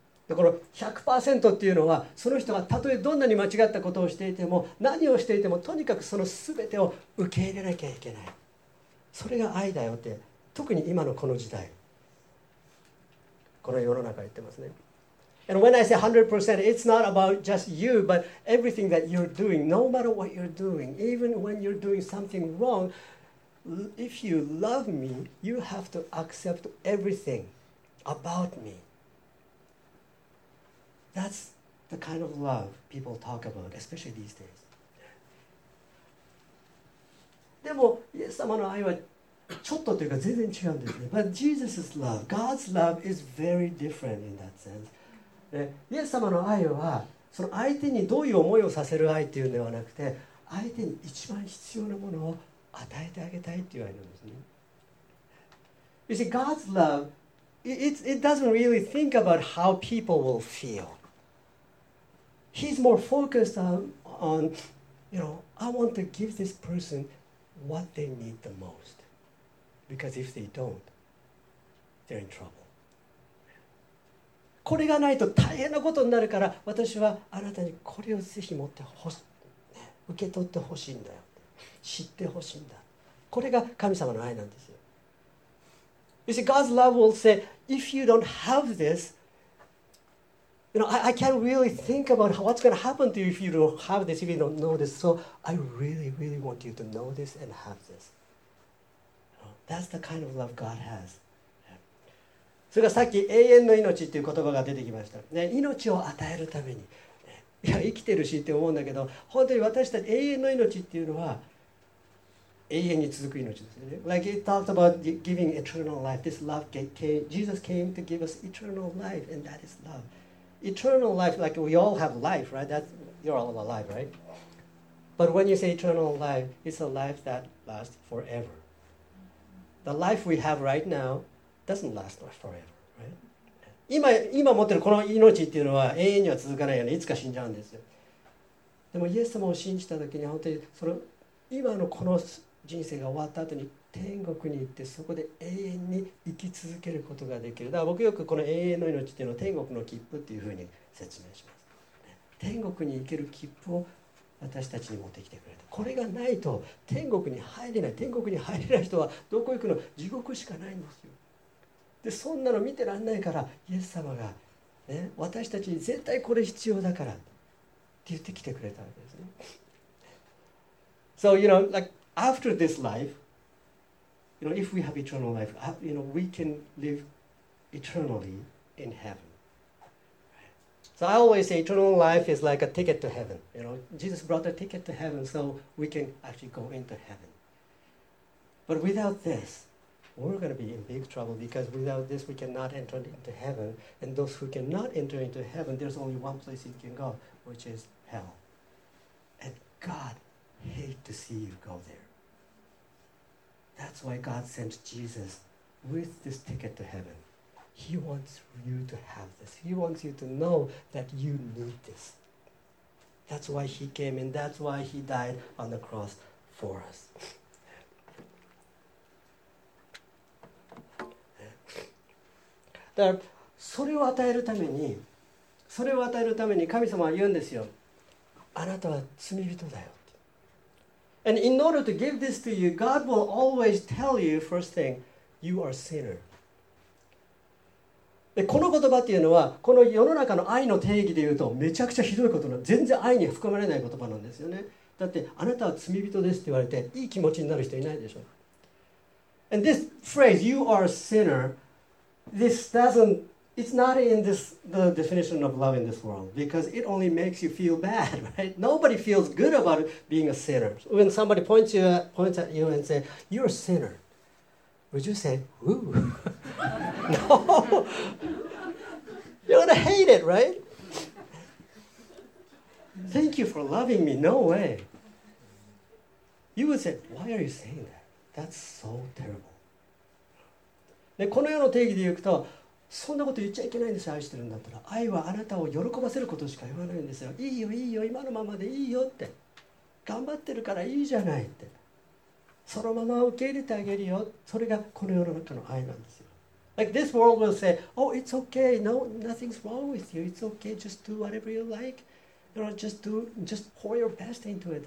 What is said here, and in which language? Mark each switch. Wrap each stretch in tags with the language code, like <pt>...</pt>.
<ja>だから 100% っていうのは、その人がたとえどんなに間違ったことをしていても、何をしていても、とにかくその全てを受け入れなきゃいけない。それが愛だよって、特に今のこの時代、この世の中言ってますね。</ja> <en>And when I say 100%, it's not about just you, but everything that you're doing, no matter what you're doing, even when you're doing something wrong, if you love me, you have to accept everything about me. That's the kind of love people talk about, especially these days.</en> <ja>でも、イエス様の愛はちょっとというか全然違うんですね。</ja> <en>But Jesus' love, God's love is very different in that sense.</en> <ja>イエス様の愛はその相手にどういう思いをさせる愛っていうのではなくて、相手に一番必要なものを与えてあげたいっていう愛なんですね。</ja> <en>You see, God's love, it doesn't really think about how people will feel. He's more focused on, you know, I want to give this person what they need the most. Because if they don't, they're in trouble.</en> <ja>これがないと大変なことになるから、私はあなたにこれをぜひ持ってほし、ね、受け取ってほしいんだよ、知ってほしいんだ。これが神様の愛なんですよ。</ja> <en>You see, God's love will say, if you don't have this, you know, I can't really think about what's going to happen to you if you don't have this, if you don't know this. So I really, really want you to know this and have this. That's the kind of love God has.</en> <ja>それがさっき永遠の命っていう言葉が出てきました、ね、命を与えるために、いや生きてるしって思うんだけど、本当に私たち永遠の命っていうのは永遠に続く命ですよね。</ja> <en>Like it talks about giving eternal life. This love came, Jesus came to give us eternal life, and that is love. Eternal life, like we all have life, right? That's, you're all alive, right? But when you say eternal life, it's a life that lasts forever. The life we have right nowDoesn't last forever, right?</en> <ja>今持ってるこの命っていうのは永遠には続かないよね。いつか死んじゃうんですよ。でもイエス様を信じた時に、本当にその今のこの人生が終わった後に天国に行って、そこで永遠に生き続けることができる。だから僕よくこの永遠の命っていうのを天国の切符っていうふうに説明します。天国に行ける切符を私たちに持ってきてくれた。これがないと天国に入れない。天国に入れない人はどこ行くの？地獄しかないんですよ。でそんなの見てらんないから、イエス様が、ね、私たちに絶対これ必要だからって言ってきてくれたわけですね。</ja> <en>So, you know, like, after this life, you know, if we have eternal life, you know, we can live eternally in heaven. So I always say eternal life is like a ticket to heaven. You know, Jesus brought a ticket to heaven so we can actually go into heaven. But without this,we're going to be in big trouble, because without this we cannot enter into heaven. And those who cannot enter into heaven, there's only one place you can go, which is hell. And God hates to see you go there. That's why God sent Jesus with this ticket to heaven. He wants you to have this. He wants you to know that you need this. That's why he came, and that's why he died on the cross for us.</en> <ja>だからそれを与えるために、それを与えるために神様は言うんですよ。あなたは罪人だよ。</ja> <en>And in order to give this to you, God will always tell you first thing, you are sinner.</en> <ja>でこの言葉っていうのは、この世の中の愛の定義で言うとめちゃくちゃひどいことな、全然愛に含まれない言葉なんですよね。だってあなたは罪人ですって言われていい気持ちになる人いないでしょ。</ja> <en>And this phrase, you are sinnerIt's not in this, the definition of love in this world, because it only makes you feel bad, right? Nobody feels good about being a sinner. When somebody points at you and says, you're a sinner, would you say, ooh? No! You're gonna hate it, right? Thank you for loving me. No way. You would say, why are you saying that? That's so terrible.</en> <ja>でこの世の定義で言うと、そんなこと言っちゃいけないんですよ、愛してるんだったら。愛はあなたを喜ばせることしか言わないんですよ。いいよいいよ、今のままでいいよって、頑張ってるからいいじゃないって、そのまま受け入れてあげるよ。それがこの世の中の愛なんですよ。</ja> <en>Like this world will say, oh, it's okay. No, nothing's wrong with you. It's okay. Just do whatever you like. You know, just pour your best into it.</en>